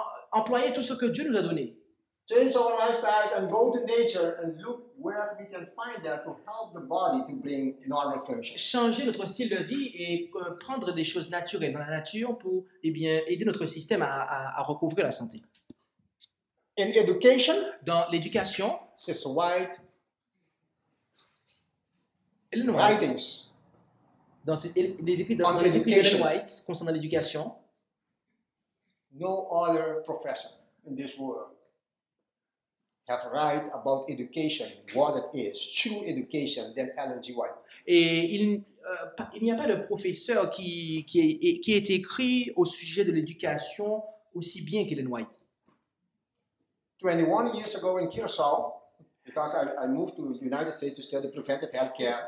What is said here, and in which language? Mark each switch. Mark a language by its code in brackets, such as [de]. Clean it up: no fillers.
[fr] Employer tout ce que Dieu nous a donné. [en] Change our life back and go to nature and look where we can find that to help the body to bring normal function. [fr] Changer notre style de vie et prendre des choses naturelles dans la nature pour aider notre système à recouvrir la santé. [en] In education, [fr] dans l'éducation, c'est White. [en] Ellen White. Writings. [fr] Dans les écrits d'Ellen White concernant l'éducation. [en] No other profession in this world. Have right about education, what it is, true education, than Ellen G. White. [fr] Et il n'y a pas de professeur qui ait écrit au sujet de l'éducation aussi bien qu'Ellen White. [en] 21 years ago in Kershaw, because I moved to the United States to study preventive health care.